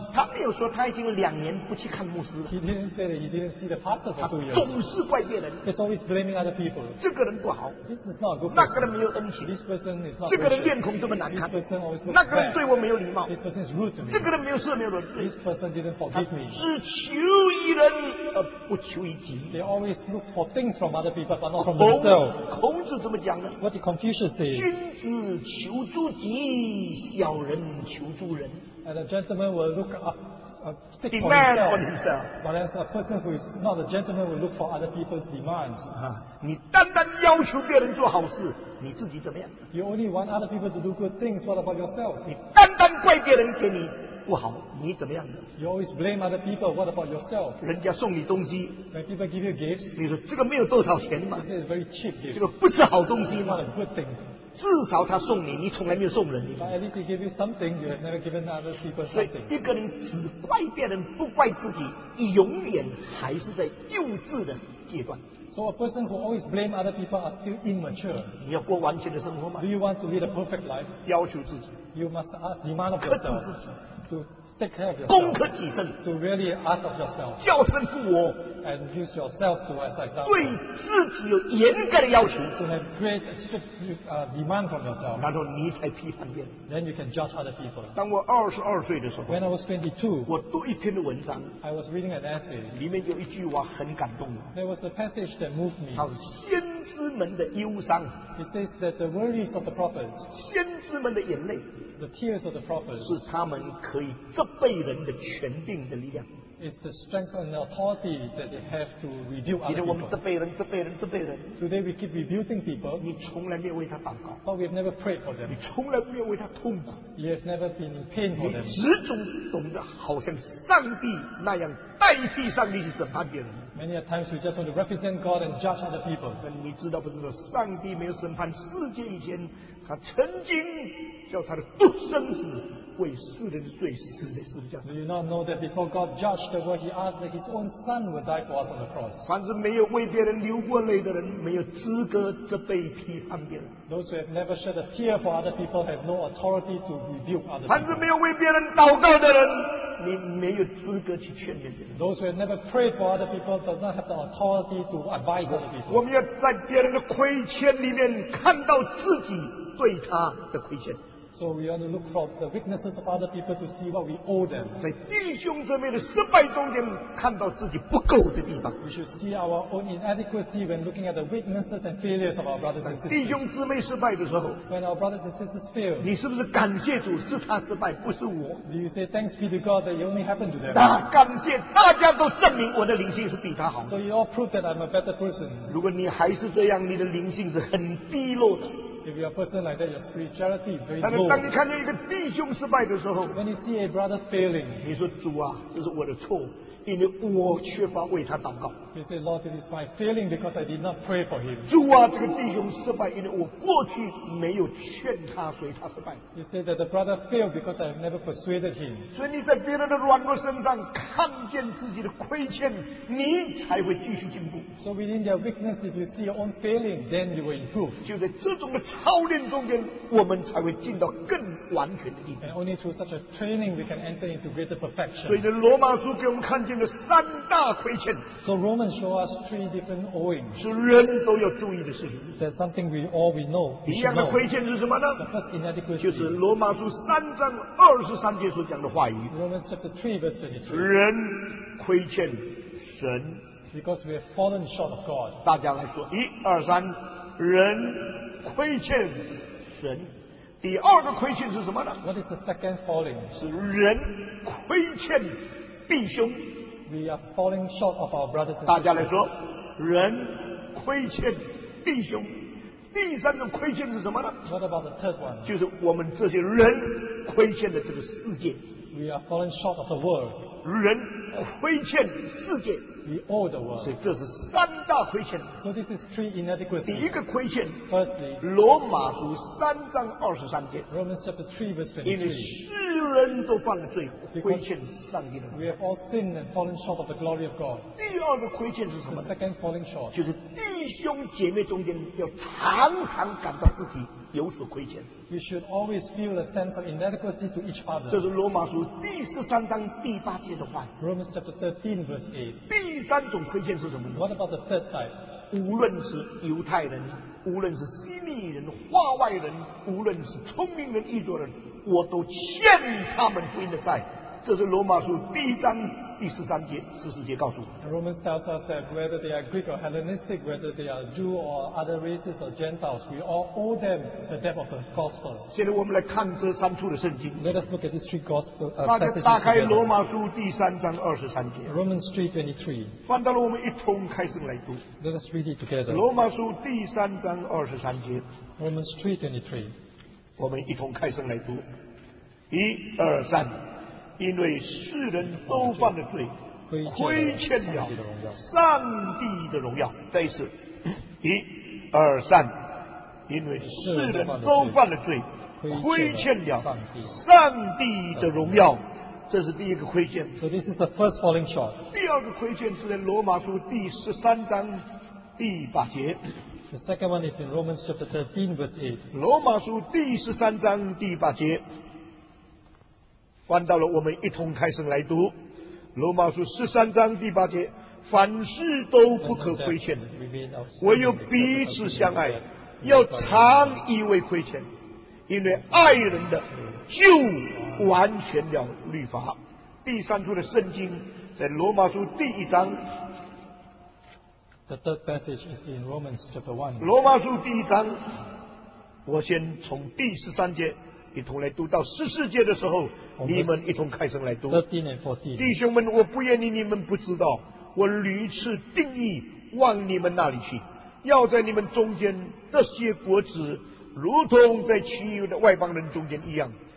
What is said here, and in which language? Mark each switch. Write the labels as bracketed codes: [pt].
[zh] 他没有说他已经有两年不去看牧师了。 [en] He didn't say that he didn't see the pastor for 2 years. [zh] 他总是怪别人。 [en] He's always blaming other people. [zh] 这个人不好。 [en] This is not a good person. [zh] 那个人没有恩情。 [en] This person is not good. [zh] 这个人面孔这么难看。 [en] This person always looks bad. [zh] 那个人对我没有礼貌。 [en] This person is rude to me. [zh] 这个人没有赦免我。 [en] This person didn't forgive me. [zh] 他只求一人而不求一己。 [en] They always look for things from other people but not from themselves. [zh] 孔子怎么讲呢？ [en] What did Confucius say? [zh] 君子求诸己。小人求助人 [en] and a gentleman will look up demand on himself but as a person who is not a gentleman will look for other people's demands [zh] 你单单要求别人做好事你自己怎么样 [en] you only want other people to do good things what about yourself [zh] 你单单怪别人给你不好你怎么样 [en] you always blame other people what about yourself [zh] 人家送你东西 [en] when people give you gifts [zh] 你说这个没有多少钱吗 [en] this is very cheap gift [zh] 这个不是好东西吗 [en] not a good thing [zh] 至少他送你，你从来没有送人。 [en] But at least he gave you something you have never given other people something. [zh] 一个人只怪别人，不怪自己，永远还是在幼稚的阶段。 [en] So a person who always blame other people are still immature. [zh] 你要过完全的生活吗 [en] ？Do you want to lead a perfect life? [zh] 要求自己。 [en] You must ask, demand of yourself. [zh] 克制自己。 [en] To take care of yourself. [zh] 攻克己身。 [en] To really ask of yourself. [zh] 教身父母。 [en] And use yourself to as example. [zh] 对自己有严格的要求。 [en] To have great strict demand from yourself. [zh] 然后你才批判别人。 [en] Then you can judge other people. [zh] 当我22岁的时候。 [en] When I was 22. [zh] 我读一篇的文章。 [en] I was reading an essay. [zh] 里面有一句话很感动。 [en] There was a passage that moved me. [zh] 它是先知们的忧伤。 [en] It says that the worries of the prophets. [zh] 先知们的眼泪。 [en] The tears of the prophets. [zh] 是他们可以责备人的权柄的力量。 [en] It's the strength and authority that they have to rebuke other people. [zh] 责备人 [en] Today we keep rebuking people. [zh] 你从来没有为他祷告。 [en] But we have never prayed for them. [zh] 你从来没有为他痛苦。 [en] You have never been in pain for them. [zh] 你始终懂得好像上帝那样代替上帝去审判别人。 [en] Many a times you just want to represent God and judge other people. [zh] 但你知道不知道，上帝没有审判世界以前，他曾经叫他的独生子。 [en] Do you not know that before God judged the world, He asked that His own Son would die for us on the cross? [zh] 凡是没有为别人流过泪的人，没有资格责备批判别人。 [en] Those who have never shed a tear for other people have no authority to rebuke other people. [zh] 凡是没有为别人祷告的人，你没有资格去劝勉别人。 [en] Those who have never prayed for other people does not have the authority to advise other people. [zh] 我们要在别人的亏欠里面看到自己对他的亏欠。 [en] So we want to look for the weaknesses of other people to see what we owe them. [zh] 在弟兄姊妹的失败中间，看到自己不够的地方。 [en] We should see our own inadequacy when looking at the weaknesses and failures of our brothers and sisters. [zh] 弟兄姊妹失败的时候 [en] ，When our brothers and sisters fail， [zh] 你是不是感谢主是他失败，不是我 [en] ？Do you say thanks be to God that it only happened to them？ [zh] 那感谢大家都证明我的灵性是比他好。 [en] So you all prove that I'm a better person。 [zh] 如果你还是这样，你的灵性是很低落的。 [en] If you're a person like that, your spirituality is very low. [zh] 当你看见一个弟兄失败的时候 [en] ，When you see a brother failing， [zh] 你说主啊，这是我的错，因为我缺乏为他祷告。 [en] You say, Lord, it is my failing because I did not pray for him. [zh] 主啊，这个弟兄失败，因为我过去没有劝他，所以他失败。 [en] You say that the brother failed because I have never persuaded him. [zh] 所以你在别人的软弱身上看见自己的亏欠，你才会继续进步。 [en] So within their weakness, if you see your own failing, then you will improve. [zh] 就在这种的操练中间，我们才会进到更完全的地步。 [en] And only through such a training, we can enter into greater perfection. [zh] 所以呢，罗马书给我们看见了三大亏欠。 [en] So Romans show us three different owing. [zh] 是人都要注意的事情。 [en] That's something we know. [zh] 一样的亏欠是什么呢 [en] ？The first inadequacy. [zh] 就是罗马书三章二十三节所讲的话语。 [en] Romans chapter 3 verse 23. [zh] 人亏欠神。 [en] Because we have fallen short of God. [zh] 大家来说，一二三，人。亏欠神，第二个亏欠是什么呢 [en] ？What is the second falling？ [zh] 是人亏欠弟兄。 [en] We are falling short of our brothers. [zh] 大家来说，人亏欠弟兄。第三个亏欠是什么呢 [en] ？What about the third one？ [zh] 就是我们这些人亏欠的这个世界。 [en] We are falling short of the world. [zh] 人亏欠世界。 [en] We owe the world. [zh] 所以这是三大亏欠。 [en] So this is three inadequacies. [zh] 第一个亏欠 [en] ，Firstly， [zh] 罗马书三章二十三节 [en] ，Romans chapter 3 verse 23。 [zh] 因为世人都犯了罪，亏欠上帝的。 [en] We have all sinned and fallen short of the glory of God. [zh] 第二个亏欠是什么 [en] ？The second falling short， [zh] 就是弟兄姐妹中间要常常感到自己有所亏欠。 [en] We should always feel a sense of inadequacy to each other. [zh] 这是罗马书第十三章第八节的话。 [en] Romans chapter 13 verse 8。 [zh] 第三种亏欠是什么呢 [en] ？What about the third type？ [zh] 无论是犹太人，无论是希利人、化外人，无论是聪明人、愚拙人，我都欠他们福音的债。这是罗马书第一章第十三节、十四节告诉我。 [en] Romans tells us that whether they are Greek or Hellenistic, whether they are Jew or other races or Gentiles, we all owe them the debt of the gospel. [zh] 现在我们来看这三处的圣经。 [en] Let us look at these three gospel. [zh] 大家打开罗马书第三章二十三节。 [en] Romans 3:23. [zh] 翻到了，我们一同开始来读。 [en] Let us read it together. [zh] 罗马书第三章二十三节。 [en] Romans 3:23. [zh] 我们一同开始来读。一二三。因为世人都犯了罪，亏欠了上帝的荣耀。再一次，一、二、三。因为世人都犯了罪，亏欠了上帝的荣耀。这是第一个亏欠。 [en] So this is the first falling short. [zh] 第二个亏欠是在罗马书第十三章第八节。 [en] The second one is in Romans chapter 13 verse 8. [zh] 罗马书第十三章第八节。翻到了，我们一同开声来读《罗马书》十三章第八节：凡事都不可亏欠，唯有彼此相爱，要常以为亏欠，因为爱人的就完全了律法。第三处的圣经在《罗马书》第一章。 [en] The third passage is in Romans chapter one. [zh] 罗马书第一章，我先从第十三节。一同来读到十四节的时候，你们一同开声来读。弟兄们，我不愿意你们不知道，我屡次定义往你们那里去，要在你们中间这些国子，如同在其余的外邦人中间一样。